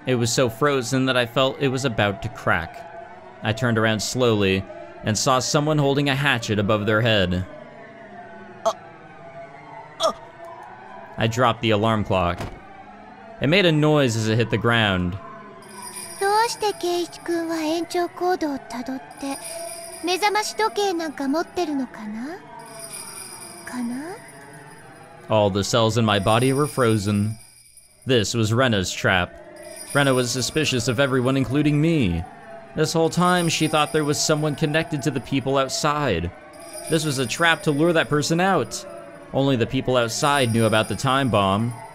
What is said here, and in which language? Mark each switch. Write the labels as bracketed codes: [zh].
[en] It was so frozen that I felt it was about to crack. I turned around slowly and saw someone holding a hatchet above their head. I dropped the alarm clock. It made a noise as it hit the ground. [ja] どうしてケイチ君は延長コードをたどって目覚まし時計なんか持ってるのかな? かな? [en] All the cells in my body were frozen. This was Rena's trap. Rena was suspicious of everyone including me. This whole time, she thought there was someone connected to the people outside. This was a trap to lure that person out. Only the people outside knew about the time bomb.